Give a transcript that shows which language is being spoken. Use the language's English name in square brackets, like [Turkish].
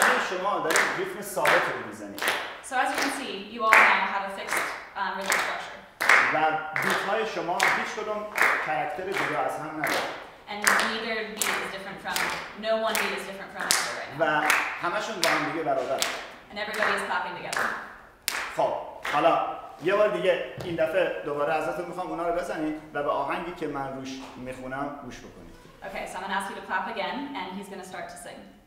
[Persian] شما دارید ریتم ثابت رو میزنید. [English] So as you can see, you all now have a fixed rhythm structure. [Persian] و بیت‌های شما هیچ کدوم کاراکتر جدا از هم ندارد. [English] And neither beat is different from, no one beat is different from another right now. [Persian] و همشون با هم دیگه برابر. [English] And everybody is clapping together. [Persian] خب، حالا یه بار دیگه این دفعه دوباره ازتون میخوام اونا رو بزنید و به آهنگی که من روش میخونم گوش بکنید. [English] Okay, so I'm gonna ask you to clap again and he's gonna start to sing.